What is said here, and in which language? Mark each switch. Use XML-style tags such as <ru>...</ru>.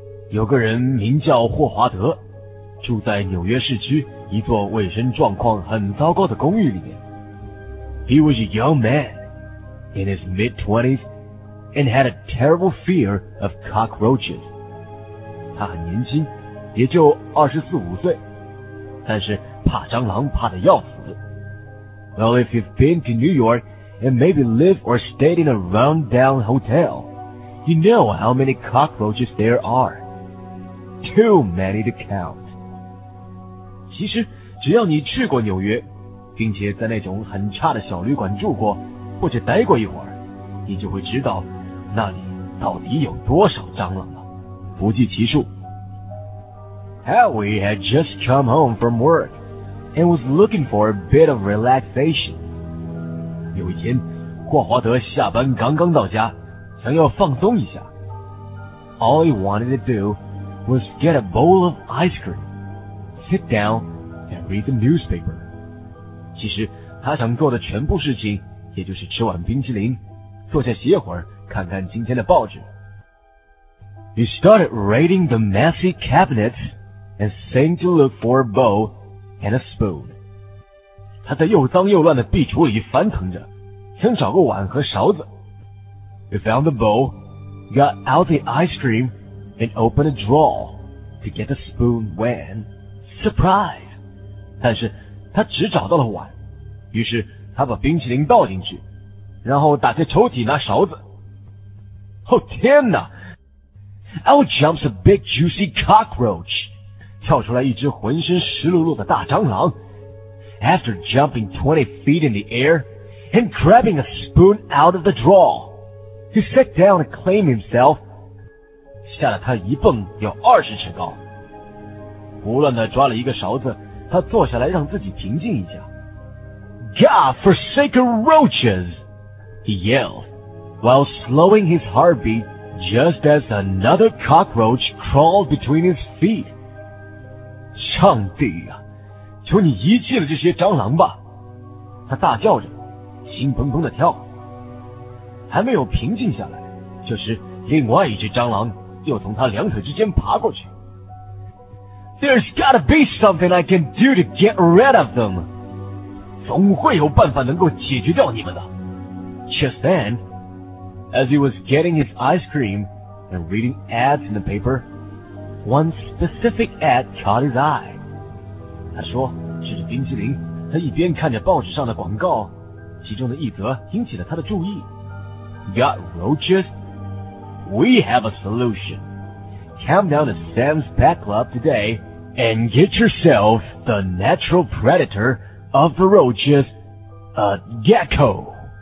<zh>有个人名叫霍华德，住在纽约市区一座卫生状况很糟糕的公寓里面。</zh> <en>He was a young man, in his mid-20s, and had a terrible fear of cockroaches.</en> <zh>他很年轻，也就二十四五岁，但是怕蟑螂怕得要死。</zh> <en>Well, if you've been to New York and maybe lived or stayed in a rundown hotel, you know how many cockroaches there are. Too many to count.</en> <zh>其实只要你去过纽约，并且在那种很差的小旅馆住过，或者待过一会儿，你就会知道那里到底有多少蟑螂了，不计其数。</zh> <en>Howie had just come home from work and was looking for a bit of relaxation.</en> <zh>有一天，霍华德下班刚刚到家，想要放松一下。</zh> <en>All he wanted to do was get a bowl of ice cream, sit down and read the newspaper.</en> <zh>其实他想做的全部事情，也就是吃碗冰淇淋，坐下歇会儿，看看今天的报纸。</zh> <en>He started raiding the messy cabinets and seemed to look for a bowl and a spoon.</en> <zh>他在又脏又乱的壁橱里翻腾着，想找个碗和勺子。</zh> <en>He found the bowl, got out the ice cream, and opened a drawer to get the spoon when... Surprise!</en> <zh>但是他只找到了碗，于是他把冰淇淋倒进去，然后打开抽屉拿勺子。哦天哪</zh> <en>！Out jumps a big juicy cockroach，</en> <zh>跳出来一只浑身湿漉漉的大蟑螂。</zh> <en>After jumping 20 feet in the air and grabbing a spoon out of the drawer， he sat down to claim himself，</en> <zh>吓得他一蹦有二十尺高，胡乱地抓了一个勺子。他坐下来让自己平静一下。</zh> <en>God forsaken roaches! He yelled, while slowing his heartbeat just as another cockroach crawled between his feet.</en> <zh>上帝啊，求你遗弃了这些蟑螂吧！他大叫着，心砰砰地跳。还没有平静下来，就是另外一只蟑螂又从他两腿之间爬过去。</zh> <en>There's gotta be something I can do to get rid of them.</en> <zh>总会有办法能够解决掉你们的。</zh> <en>Just then, as he was getting his ice cream and reading ads in the paper, one specific ad caught his eye.</en> <zh>他说，指着冰淇淋，他一边看着报纸上的广告，其中的一则引起了他的注意。</zh> <en>Got roaches? We have a solution. Come down to Sam's Pet Club today and get yourself the natural predator of the roaches, a gecko.</en>